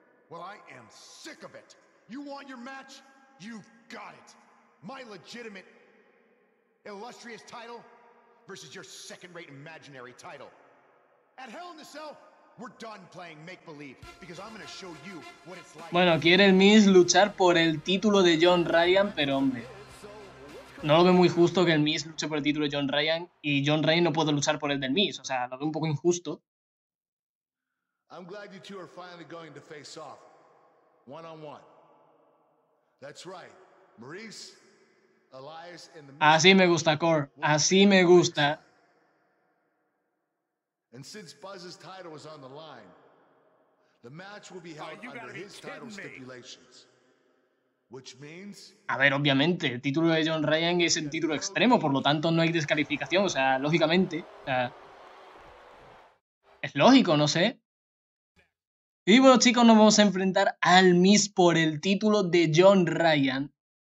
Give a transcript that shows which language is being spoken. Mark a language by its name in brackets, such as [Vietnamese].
[English] Well, I am sick of it. You want your match? You've got it. My legitimate, illustrious title versus your second-rate imaginary title. At Hell in a Cell, we're done playing make-believe because I'm going to show you what it's like. [Spanish] Bueno, quiere el Miz luchar por el título de John Ryan, pero hombre. No lo veo muy justo que el Miz luche por el título de John Ryan y John Ryan no puede luchar por el del Miz. O sea, lo veo un poco injusto. [English] I'm glad you two are finally going to face off. One on one. That's right. Maurice, Elias and the Miz. [Spanish] Así me gusta, Cor. Así me gusta. [English] And since Buzz's title was on the line, the match will be held under his title stipulations. [Spanish] A ver, obviamente, el título de John Ryan es el título extremo, por lo tanto no hay descalificación, o sea, lógicamente, o sea, es lógico, no sé. Y bueno, chicos, nos vamos a enfrentar al Miz por el título de John Ryan.